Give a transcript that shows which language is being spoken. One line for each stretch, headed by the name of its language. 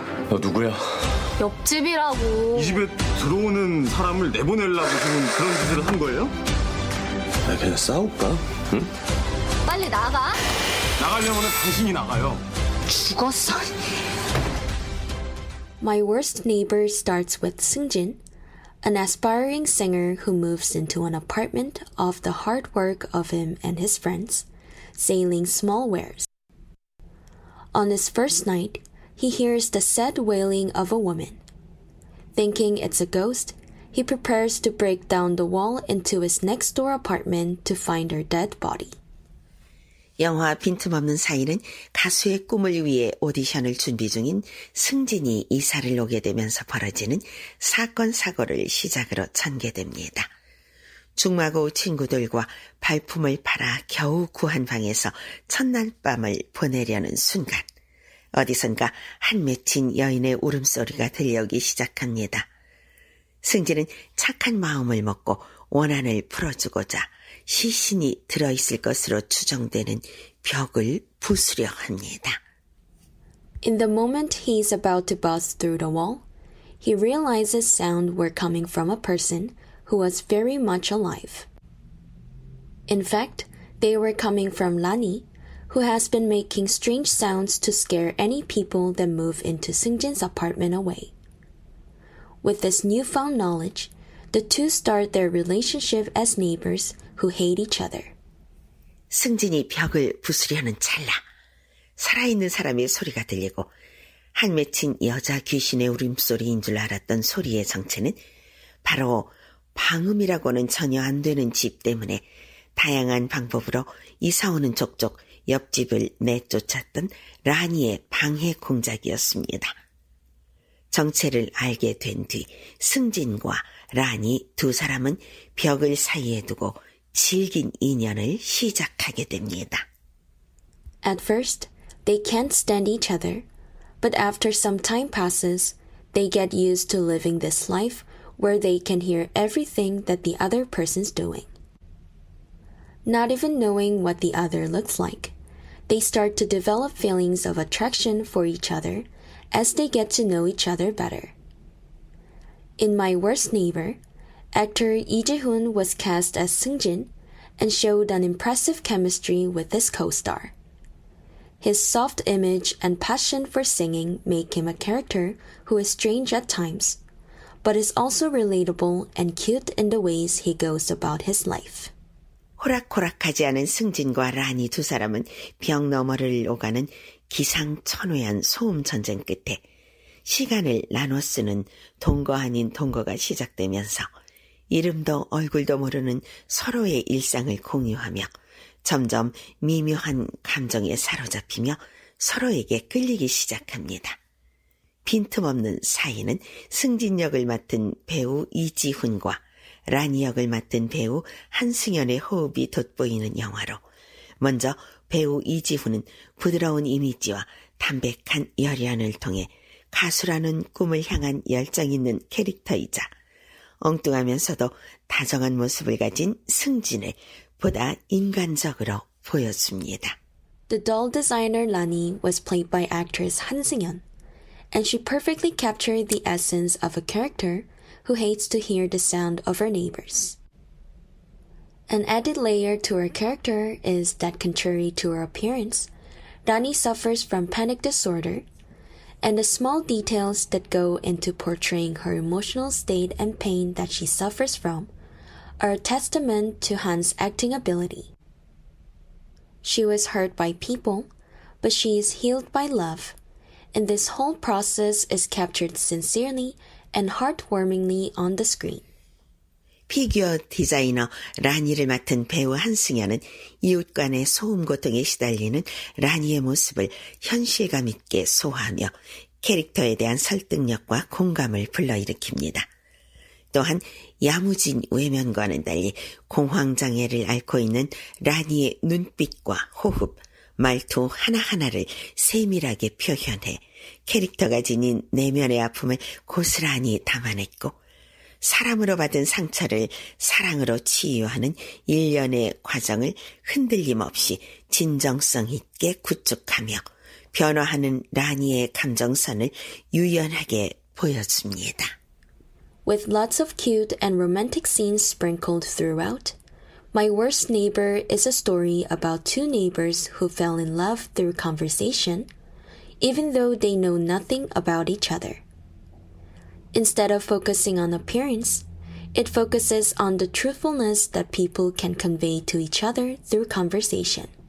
Korean: 너 누구야? 옆집이라고. 이 집에 들어오는 사람을 내보내려고 지금 그런 짓을 한 거예요? 아니, 그냥 싸울까? 응? 빨리 나가. 나가려면 당신이 나가요. 죽었어.
English: My worst neighbor starts with Seungjin, an aspiring singer who moves into an apartment off the hard work of him and his friends, sailing small wares. On his first night, he hears the sad wailing of a woman. Thinking it's a ghost, he prepares to break down the wall into his next-door apartment to find her dead body.
Korean: 영화 빈틈없는 사이는 가수의 꿈을 위해 오디션을 준비 중인 승진이 이사를 오게 되면서 벌어지는 사건 사고를 시작으로 전개됩니다. 죽마고 친구들과 발품을 팔아 겨우 구한 방에서 첫날 밤을 보내려는 순간 어디선가 한 맺힌 여인의 울음소리가 들려오기 시작합니다. 승진은 착한 마음을 먹고 원한을 풀어주고자 시신이 들어있을 것으로 추정되는 벽을 부수려 합니다.
English: In the moment he is about to bust through the wall, he realizes sound were coming from a person who was very much alive. In fact, they were coming from Lani, who has been making strange sounds to scare any people that move into Seungjin's apartment away. With this newfound knowledge, the two start their relationship as neighbors who hate each other.
Korean: 승진이 벽을 부수려는 찰나 살아있는 사람의 소리가 들리고 한 맺힌 여자 귀신의 울음소리인 줄 알았던 소리의 정체는 바로 방음이라고는 전혀 안 되는 집 때문에 다양한 방법으로 이사오는 족족 옆집을 내쫓았던 라니의 방해 공작이었습니다. 정체를 알게 된 뒤 승진과 라니 두 사람은 벽을 사이에 두고 질긴 인연을 시작하게 됩니다.
English: At first, they can't stand each other, but after some time passes, they get used to living this life where they can hear everything that the other person's doing. Not even knowing what the other looks like, they start to develop feelings of attraction for each other as they get to know each other better. In My Worst Neighbor, actor Lee Ji-hoon was cast as Seungjin and showed an impressive chemistry with his co-star. His soft image and passion for singing make him a character who is strange at times, but is also relatable and cute in the ways he goes about his life.
Korean: 호락호락하지 않은 승진과 라니 두 사람은 벽 너머를 오가는 기상천외한 소음 전쟁 끝에 시간을 나눠 쓰는 동거 아닌 동거가 시작되면서 이름도 얼굴도 모르는 서로의 일상을 공유하며 점점 미묘한 감정에 사로잡히며 서로에게 끌리기 시작합니다. 빈틈없는 사이는 승진 역을 맡은 배우 이지훈과 라니 역을 맡은 배우 한승연의 호흡이 돋보이는 영화로 먼저 배우 이지훈은 부드러운 이미지와 담백한 열연을 통해 가수라는 꿈을 향한 열정 있는 캐릭터이자 엉뚱하면서도 다정한 모습을 가진 승진을 보다 인간적으로 보여줍니다.
English: The doll designer Lani was played by actress Han Seung-yeon, and she perfectly captured the essence of a character who hates to hear the sound of her neighbors. An added layer to her character is that contrary to her appearance, Lani suffers from panic disorder, and the small details that go into portraying her emotional state and pain that she suffers from are a testament to Han's acting ability. She was hurt by people, but she is healed by love, and this whole process is captured sincerely and heartwarmingly on the screen.
Korean: 피규어 디자이너 라니를 맡은 배우 한승연은 이웃 간의 소음 고통에 시달리는 라니의 모습을 현실감 있게 소화하며 캐릭터에 대한 설득력과 공감을 불러일으킵니다. 또한 야무진 외면과는 달리 공황장애를 앓고 있는 라니의 눈빛과 호흡, 말투 하나하나를 세밀하게 표현해 캐릭터가 지닌 내면의 아픔을 고스란히 담아냈고 사람으로 받은 상처를 사랑으로 치유하는 일련의 과정을 흔들림 없이 진정성 있게 구축하며 변화하는 라니의 감정선을 유연하게 보여줍니다.
English: With lots of cute and romantic scenes sprinkled throughout, My Worst Neighbor is a story about two neighbors who fell in love through conversation, even though they know nothing about each other. Instead of focusing on appearance, it focuses on the truthfulness that people can convey to each other through conversation.